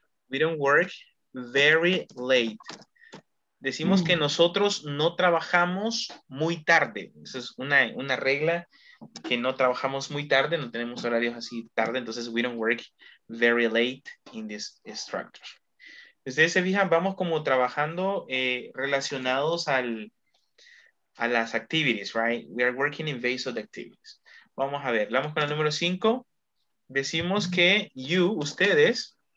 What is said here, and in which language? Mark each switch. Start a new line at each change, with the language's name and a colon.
English: We don't work very late.
Spanish: Decimos que nosotros no trabajamos muy tarde. Esa es una regla, que no trabajamos muy tarde, no tenemos horarios así tarde.
English: Entonces, we don't work very late in this structure.
Spanish: Ustedes se fijan, vamos como trabajando relacionados a las activities, right?
English: We are working in base of the activities.
Spanish: Vamos a ver, vamos con el número 5. Decimos que you, ustedes,